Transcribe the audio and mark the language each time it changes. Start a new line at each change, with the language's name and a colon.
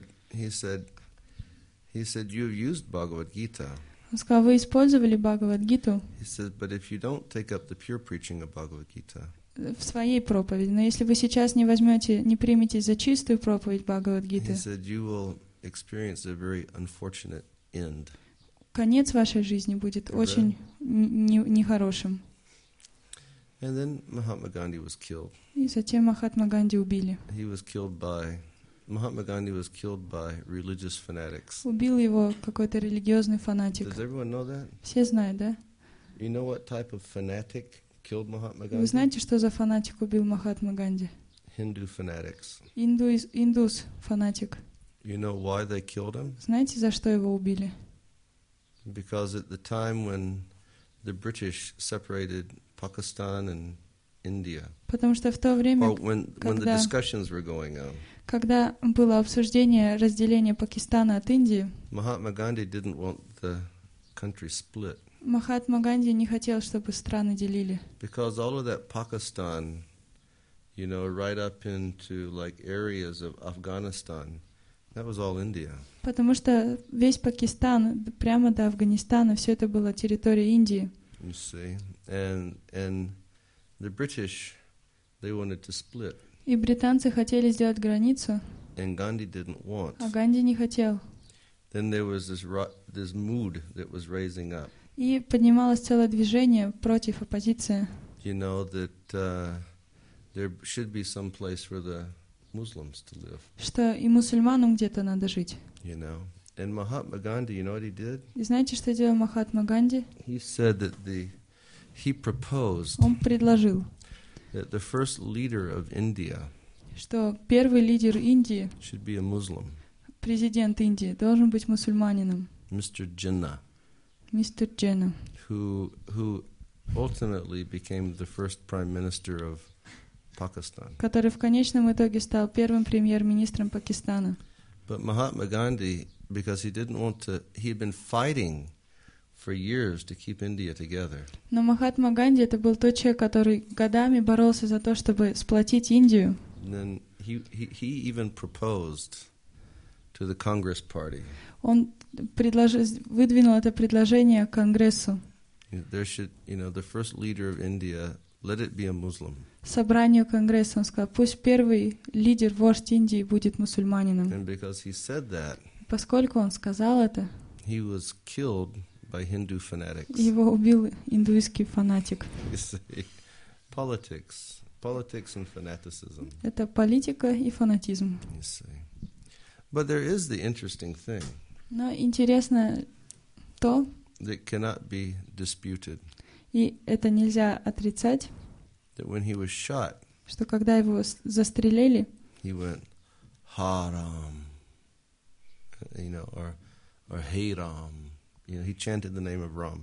English: He said, you have used Bhagavad Gita.
Russian: Он сказал, вы использовали Бхагавад Гиту.
English: He said, but if you don't take up the pure preaching of Bhagavad Gita.
Russian: В своей проповеди, но если вы сейчас не возьмете, не примете за чистую проповедь Бхагавад Гиты.
English: He said, you will experience a very unfortunate end.
Russian: Конец вашей жизни будет очень нехорошим.
English: And then Mahatma Gandhi was killed.
Russian: И затем Махатма Ганди убили.
English: He was killed by Mahatma Gandhi was killed by religious fanatics.
Russian: Убил его какой-то религиозный фанатик.
English: Does everyone know that?
Russian: Все знают, да?
English: You know what type of fanatic killed Mahatma Gandhi?
Russian: Вы знаете, что за фанатик убил Махатма Ганди?
English: Hindu fanatics.
Russian: Индус фанатик.
English: You know why they killed him?
Russian: Знаете, за что его убили?
English: Because at the time when the British separated Pakistan and India.
Russian: Потому что в то время,
English: when the discussions were going on,
Russian: когда было обсуждение разделения Пакистана от Индии,
English: Mahatma Gandhi didn't want the country split.
Russian: Махатма Ганди не хотел, чтобы страны делили.
English: Because all of that Pakistan, you know, right up into like areas of Afghanistan, that was all India.
Russian: Потому что весь Пакистан прямо до Афганистана, все это была территория Индии.
English: You see, and the British, they wanted to split.
Russian: И британцы хотели сделать границу.
English: And Gandhi didn't want.
Russian: А Ганди не хотел.
English: Then there was this mood that was raising up.
Russian: И поднималось целое движение против оппозиции.
English: You know that there should be some place for the Muslims to live.
Russian: Что и мусульманам где-то надо жить.
English: You know. And Mahatma Gandhi, you know what he did?
Russian: И знаете, что делал Махатма Ганди?
English: He said that he proposed.
Russian: Он предложил.
English: That the first leader of India.
Russian: Что первый лидер Индии.
English: Should be a Muslim.
Russian: Президент Индии должен быть мусульманином.
English: Mr. Jinnah. Mr. Jinnah. Who ultimately became the first prime minister of Pakistan.
Russian: Который в конечном итоге стал первым премьер-министром Пакистана.
English: But Mahatma Gandhi, because he didn't want to, he had been fighting for years to keep India together.
Russian: Но Махатма Ганди это был тот человек, который годами боролся за то, чтобы сплотить Индию.
English: And then he even proposed to the Congress party.
Russian: Он выдвинул это предложение Конгрессу.
English: There should, you know, the first leader of India, let it be a Muslim.
Russian: Собранию Конгресса он сказал, пусть первый лидер, вождь Индии будет мусульманином.
English: And because he said that,
Russian: поскольку он сказал это,
English: he was killed by Hindu fanatics.
Russian: Его убил индуистский фанатик.
English: Politics and fanaticism.
Russian: Это политика и фанатизм.
English: You see. But there is the interesting thing.
Russian: Но интересно то,
English: that cannot be disputed.
Russian: И это нельзя отрицать.
English: That when he was shot,
Russian: что когда его застрелили,
English: he went, Haram, you know, or or Hey Ram. You know, he chanted the name of Ram.